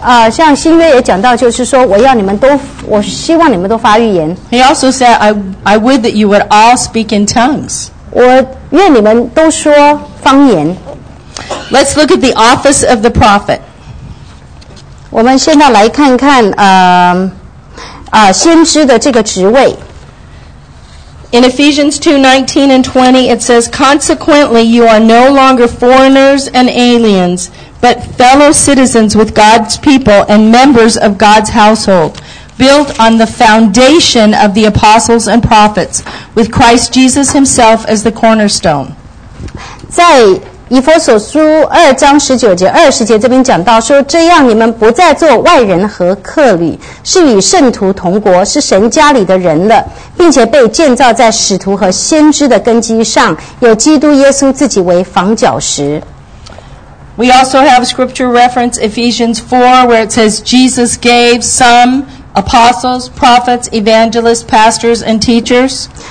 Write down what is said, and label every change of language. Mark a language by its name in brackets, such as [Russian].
[Chinese] 像新约也讲到，就是说，我要你们都，我希望你们都发预言。 [English] He also said, "I would that you would all speak in tongues." [Chinese] 我愿你们都说方言。 [English] Let's look at the office of the prophet. [Chinese] 我们现在来看看先知的这个职位。 [English] In Ephesians 2:19 and 20, it says, "Consequently, you are no longer foreigners and aliens, but fellow citizens with God's people and members of God's household, built on the foundation of the apostles and prophets, with Christ Jesus himself as the cornerstone." [Chinese] 在以弗所书二章十九节、二十节这边讲到说，这样你们不再做外人和客旅，是与圣徒同国，是神家里的人了，并且被建造在使徒和先知的根基上，有基督耶稣自己为房角石。 [English] We also have scripture reference Ephesians 4, where it says Jesus gave some apostles, prophets, evangelists, pastors, and teachers.